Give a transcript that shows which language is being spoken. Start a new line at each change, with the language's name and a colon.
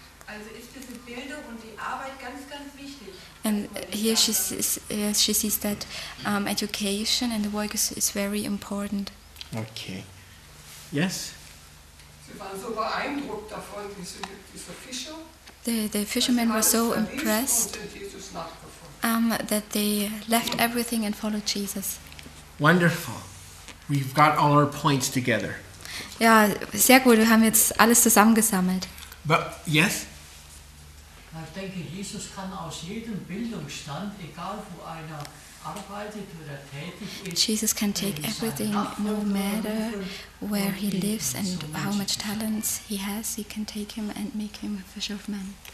German: Also ist diese Bildung und die Arbeit ganz, ganz wichtig.
English: And here she sees that education and the work is very important. Okay. Yes?
German: Sie waren so beeindruckt davon, diese Fischer.
English: The fishermen were so impressed that they left everything and followed Jesus. Wonderful. We've got all our points together.
German: Ja, sehr gut. Wir haben jetzt alles zusammengesammelt.
English: But, yes?
German: Ich denke, Jesus kann aus jedem Bildungsstand, egal wo einer arbeitet oder tätig ist,
English: Jesus can take everything, no matter where he lives and how much talents he has, he can take him and make him a fisher of men.